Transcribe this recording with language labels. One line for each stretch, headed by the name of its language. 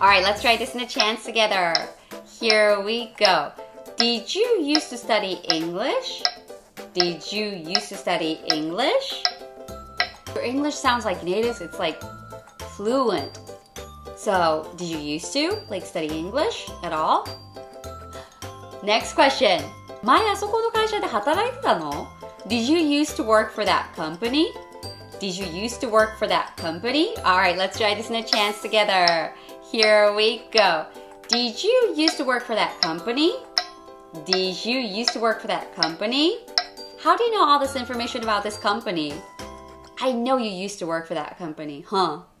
English: Alright, let's try this in a chance together. Here we go. Did you used to study English? Did you used to study English? Your English sounds like native, it's like fluent. So, did you used to, like, study English at all? Next question.
Japanese: 前あそこの会社で働いてたの?
English: Did you used to work for that company? Did you used to work for that company? Alright, let's try this in a chance together. Here we go. Did you used to work for that company? Did you used to work for that company? How do you know all this information about this company? I know you used to work for that company, huh?